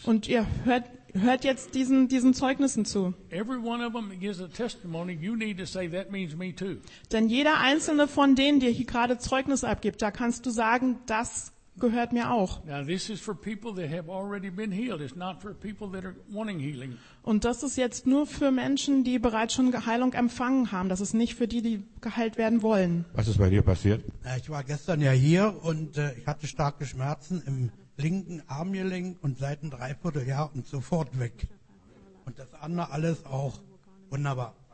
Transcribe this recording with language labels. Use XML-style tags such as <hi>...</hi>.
<de>Und ihr hört jetzt diesen Zeugnissen zu.</de> <en>Every one of them gives a testimony. You need to say that means me too.</en> <de>Denn jeder einzelne von denen, der hier gerade Zeugnis abgibt, da kannst du sagen, das gehört mir auch.</de> <en>Now this is for people that have already been healed. It's not for people that are wanting healing.</en> <de>Und das ist jetzt nur für Menschen, die bereits schon Heilung empfangen haben. Das ist nicht für die, die geheilt werden wollen. Was ist bei dir passiert? Ich war gestern ja hier und ich hatte starke Schmerzen im linken Armgelenk und seit einem Dreivierteljahr und sofort weg. Und das andere alles auch wunderbar.</de>